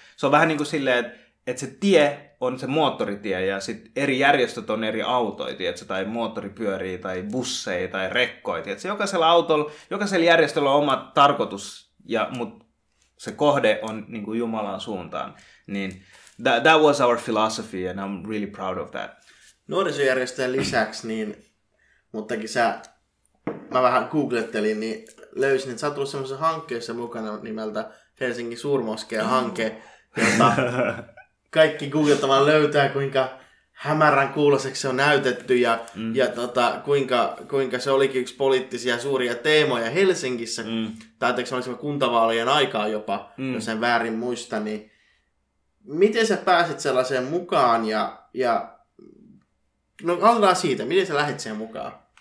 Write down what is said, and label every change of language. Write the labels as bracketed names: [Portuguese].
[Finnish] Se on vähän niin kuin silleen, että se tie on se moottoritie ja sit eri järjestöt on eri autoja, tai moottoripyöriä, tai busseja, tai rekkoja. Jokaisella autolla, jokaisella järjestöllä on oma tarkoitus, mutta se kohde on niin kuin Jumalan suuntaan. [English] Niin that was our philosophy and I'm really proud of that. [Finnish] Nuorisojärjestöjen lisäksi, niin, muttakin sä, mä vähän googlettelin, niin löysin, että sä oot tullut semmoisessa hankkeessa mukana nimeltä Helsingin suurmoskeen hanke, jota kaikki googlettavan löytää, kuinka hämärän kuuloseksi se on näytetty ja, ja tota, kuinka se olikin yksi poliittisia suuria teemoja Helsingissä, tai että se olisi kuntavaalien aikaa jopa, jos en väärin muista, niin miten sä pääsit sellaiseen mukaan ja no aloitetaan siitä, miten sä lähdit siihen mukaan?